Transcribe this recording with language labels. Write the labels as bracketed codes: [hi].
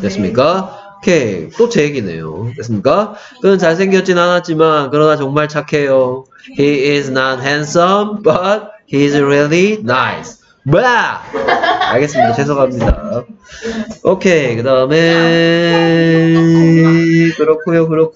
[ko] 됐습니까? 오케이, 또 제 얘기네요. 됐습니까? 그는 잘생겼진 않았지만 그러나 정말 착해요. [en] He is not handsome, but he's really nice. [ko] 뭐야? 알겠습니다. 죄송합니다. 오케이, 그 다음에 그렇고요.